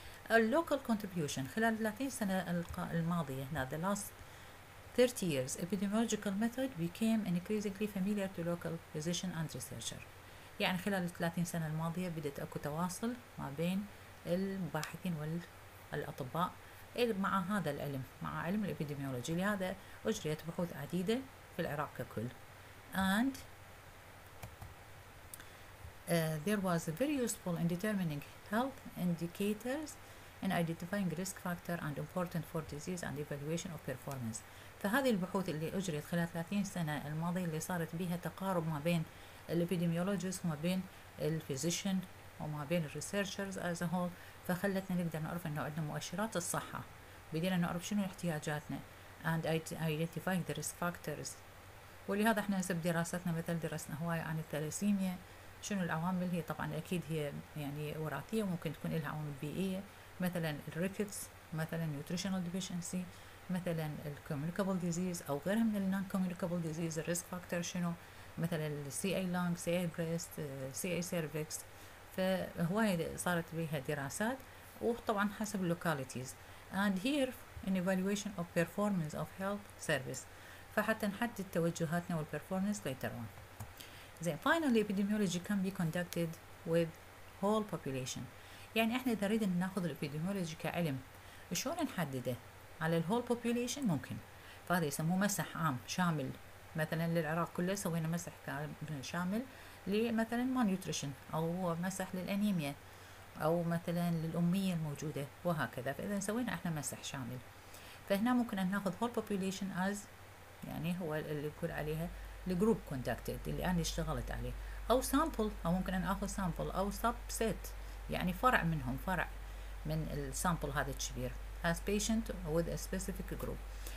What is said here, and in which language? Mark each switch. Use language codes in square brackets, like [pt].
[ar] اللوكال كونتريبيوشن خلال 30 سنة الماضية هنا [en] the last 30 years epidemiological method became increasingly familiar to local physician and researcher. [ar] يعني خلال 30 سنة الماضية بدأت أكو تواصل ما بين المباحثين والأطباء مع هذا العلم، مع علم الإبيديميولوجي. لهذا أجريت بحوث عديدة في العراق ككل. [en] And there was very useful in determining health indicators and identifying risk factor and important for disease and evaluation of performance. [ar] فهذه البحوث اللي أجريت خلال 30 سنة الماضية اللي صارت بها تقارب ما بين الإبيديميولوجيست وما بين الفيزيشن وما بين الريسيرشرز [en] as a whole، [ar] فخلتنا نقدر نعرف انه عندنا مؤشرات الصحة، بدينا نعرف شنو احتياجاتنا [en] and identifying the risk factors. [ar] ولهذا احنا هسه بدراستنا مثل درسنا هواية عن الثلاسيميا شنو العوامل، هي طبعا اكيد هي يعني وراثية وممكن تكون لها عوامل بيئية، مثلا الريكتس، مثلا نيوتريشنال ديفيشنسي، مثلا الكوميونيكابل ديزيز او غيرها من النون كوميونيكابل ديزيز، الريسك فاكتور شنو، مثلا السي اي لانج، سي اي بريست، سي اي سيرفكس. فهواية صارت بها دراسات وطبعا حسب اللوكاليتيز. [en] And here an evaluation of performance of health service [ar] فحتى نحدد توجهاتنا [en] والperformance later on. Then finally epidemiology can be conducted with whole population. [ar] يعني احنا اذا ريدنا ناخذ الepidemiology كعلم شلون نحدده على ال [en] whole population [ar] ممكن، فهذا يسموه مسح عام شامل. مثلا للعراق كله سوينا مسح شامل لمثلا malnutrition او مسح للانيميا او مثلا للامية الموجودة وهكذا، فاذا سوينا احنا مسح شامل فهنا ممكن ان ناخذ [en] whole population as [ar] يعني هو اللي يكون عليها الجروب كونتاكتد اللي انا اشتغلت عليه، او سامبل، او ممكن ان اخذ سامبل او سب سيت يعني فرع منهم، فرع من السامبل هذا الكبير [en] as patient with a specific group.